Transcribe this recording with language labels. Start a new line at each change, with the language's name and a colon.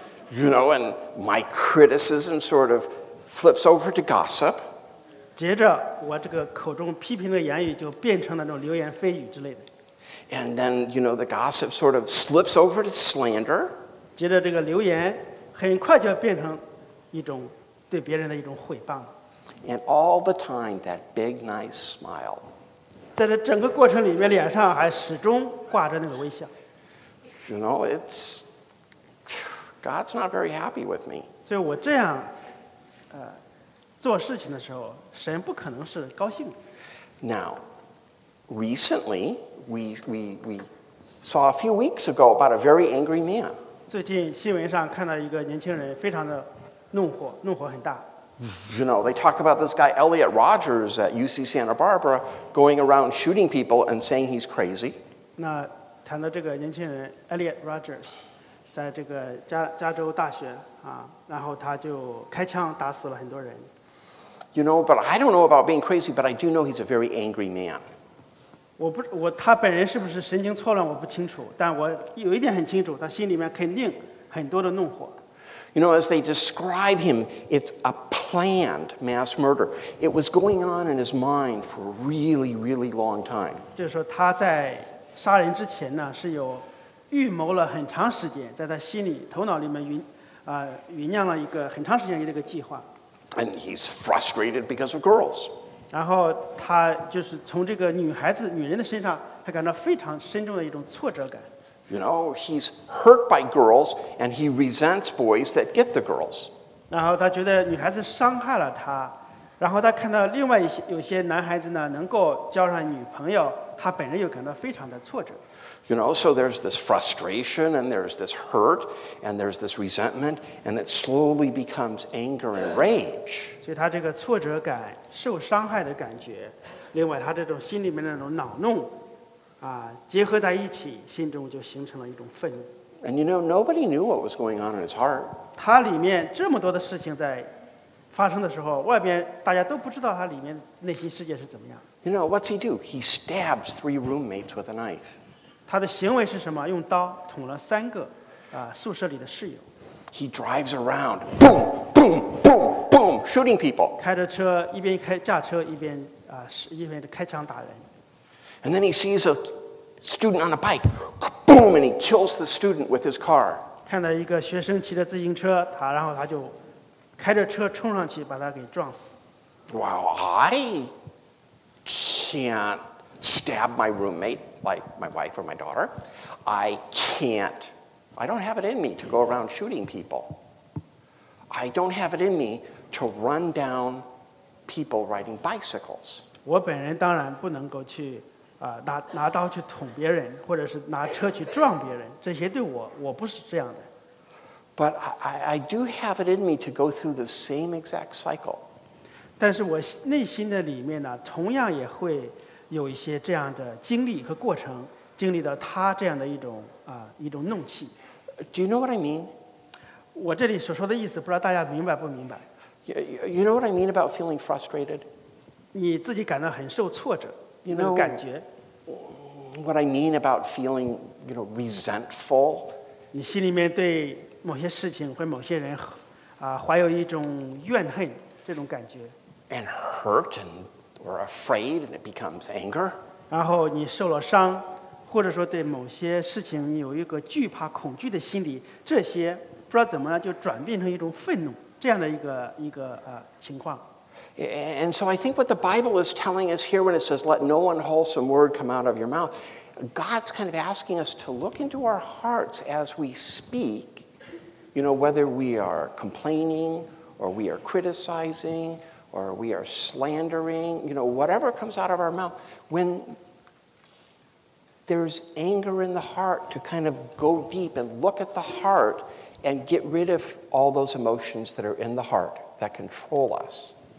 English: You know, and my criticism sort of flips over to gossip.
Chinese: 接着我这个口中批评的言语就变成了那种流言蜚语之类的。
English: And then, you know, the gossip sort of slips over to slander.
Chinese: 接着这个流言很快就变成一种对别人的一种毁谤。
English: And all the time, that big, nice smile.
Chinese: 在这整个过程里面，脸上还始终挂着那个微笑。
English: You know, it's God's not very happy with me.
Chinese: 所以我这样，做事情的时候，神不可能是高兴的。
English: Now, recently, we saw a few weeks ago about a very angry man.
Chinese: 最近新闻上看到一个年轻人非常的怒火很大。
English: You know, they talk about this guy Elliot Rogers at UC Santa Barbara going around shooting people and saying he's crazy.
Chinese: 那谈到这个年轻人 Elliot Rogers, 在这个加州大学啊，然后他就开枪打死了很多人。
English: You know, but I don't know about being crazy, but I do know he's a very angry man.
Chinese: 他本人是不是神经错乱我不清楚，但我有一点很清楚，他心里面肯定很多的怒火。
English: You know, as they describe him, it's a planned mass murder. It was going on in his mind for a really, really long time.
Chinese: 就是说他在杀人之前呢，是有预谋了很长时间，在他心里、头脑里面酝酿了一个很长时间的一个计划。
English: And he's frustrated because of girls.
Chinese: 然后他就是从这个女人的身上，他感到非常深重的一种挫折感。
English: You know, he's hurt by girls, and he resents boys that get the girls.
Chinese: 然后他觉得女孩子伤害了他，然后他看到另外有些男孩子呢能够交上女朋友，他本人又感到非常的挫折。
English: You know, so there's this frustration, and there's this hurt, and there's this resentment, and it slowly becomes anger and rage.
Chinese: 所以他这个挫折感、受伤害的感觉，另外他这种心里面的那种恼怒。结合在一起，心中就形成了一种愤怒。
English: And you know, nobody knew what was going on in his heart.
Chinese: 他里面这么多的事情在发生的时候，外面大家都不知道他里面内心世界是怎么样。
English: You know, what's he do? He stabs three roommates with a knife.
Chinese: 他的行为是什么？用刀捅了三个宿舍里的室友。
English: He drives around, boom, boom, boom, boom, shooting people.
Chinese: 开着车，一边开驾车，一边开枪打人。
English: And then he sees a student on a bike, boom, and he kills the student with his car.
Chinese: 看到一个学生骑着自行车，然后他就开着车冲上去把他给撞死。
English: Wow, I can't stab my roommate, like my wife or my daughter. I don't have it in me to go around shooting people. I don't have it in me to run down people riding bicycles.
Chinese: 我本人当然不能够去, 拿刀去捅别人, 或者是拿车去撞别人, 这些对我, 我不是这样的。
English: But I do have it in me to go through the same exact cycle.
Chinese: 但是我内心的里面呢, 同样也会有一些这样的经历和过程, 经历到他这样的一种, 一种怒气。
English: Do you know what I mean?
Chinese: 我这里所说的意思, 不知道大家明白不明白。
English: You know what I mean about feeling frustrated?
Chinese: 你自己感到很受挫折,
English: you know,
Chinese: 那个感觉。
English: What I mean about feeling, you know, resentful?
Chinese: 你心里面对 某些事情或某些人, 怀有一种怨恨, 这种感觉。
English: And hurt and or afraid and it becomes anger.
Chinese: 然后你受了伤, 或者说对某些事情有一个惧怕恐惧的心理, 这些, 不知道怎么样, 就转变成一种愤怒, 这样的一个, 情况。
English: And so I think what the Bible is telling us here when it says, let no unwholesome word come out of your mouth, God's kind of asking us to look into our hearts as we speak. You know, whether we are complaining or we are criticizing or we are slandering, you know, whatever comes out of our mouth, when there's anger in the heart, to kind of go deep and look at the heart and get rid of all those emotions that are in the heart that control us.